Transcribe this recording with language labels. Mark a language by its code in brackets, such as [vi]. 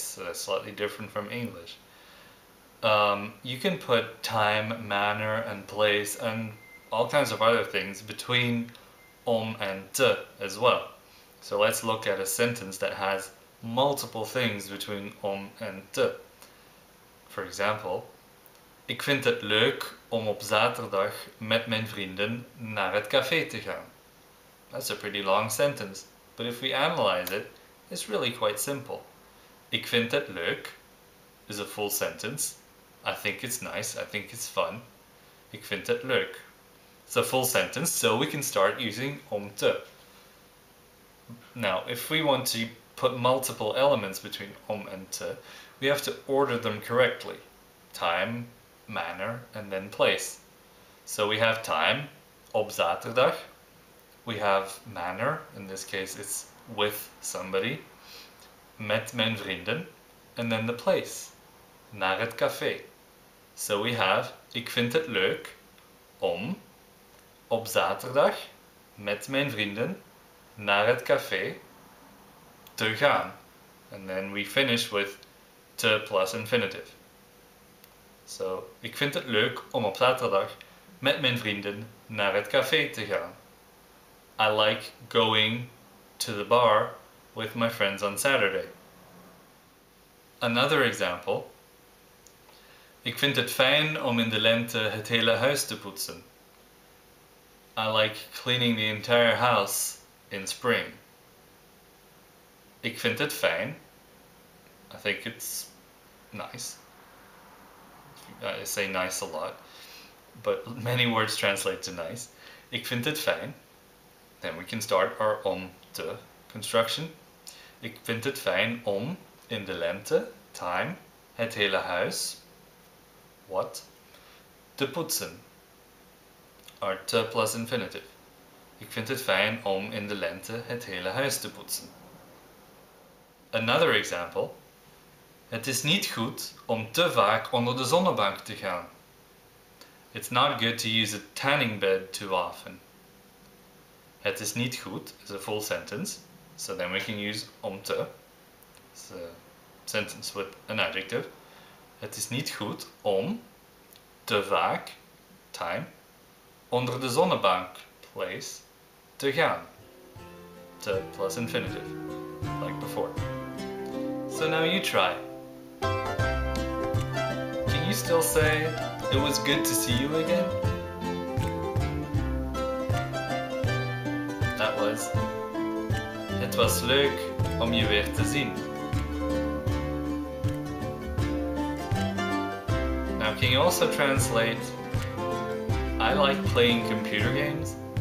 [en] So that's slightly different from English. You can put time, manner, and place, and all kinds of other things between om and te as well. So let's look at a sentence that has multiple things between om and te. For example, [nl] ik vind het leuk om op zaterdag met mijn vrienden naar het café te gaan. [en] That's a pretty long sentence, but if we analyze it, it's really quite simple. [nl] Ik vind het leuk [en] is a full sentence. I think it's nice. I think it's fun. [nl] Ik vind het leuk. [en] It's a full sentence, so we can start using umte. Now, if we want to put multiple elements between om and te, we have to order them correctly. Time, manner, and then place. So we have time, [nl] op zaterdag, [en] We have manner, in this case it's with somebody, [nl] met mijn vrienden, [en] and then the place, [nl] naar het café. [en] So we have, [nl] ik vind het leuk om op zaterdag met mijn vrienden naar het café te gaan. [en] And then we finish with te plus infinitive. So, [nl] ik vind het leuk om op zaterdag met mijn vrienden naar het café te gaan. [en] I like going to the bar with my friends on Saturday. Another example. [nl] Ik vind het fijn om in de lente het hele huis te poetsen. [en] I like cleaning the entire house in spring. [nl] Ik vind het fijn. [en] I think it's nice. I say nice a lot, but many words translate to nice. [nl] Ik vind het fijn. [en] Then we can start our om te construction. [nl] Ik vind het fijn om in de lente, time, het hele huis, what, te poetsen. [en] Our te plus infinitive. [nl] Ik vind het fijn om in de lente het hele huis te poetsen. [en] Another example. [nl] Het is niet goed om te vaak onder de zonnebank te gaan. [en] It's not good to use a tanning bed too often. [nl] Het is niet goed [en] is a full sentence, so then we can use om te. It's a sentence with an adjective. [nl] Het is niet goed om te vaak, time, onder de zonnebank, place, te gaan. [en] Te plus infinitive, like before. So now you try. Can you still say it was good to see you again? That was [nl] Het was leuk om je weer te zien. [en] Now can you also translate I like playing computer games?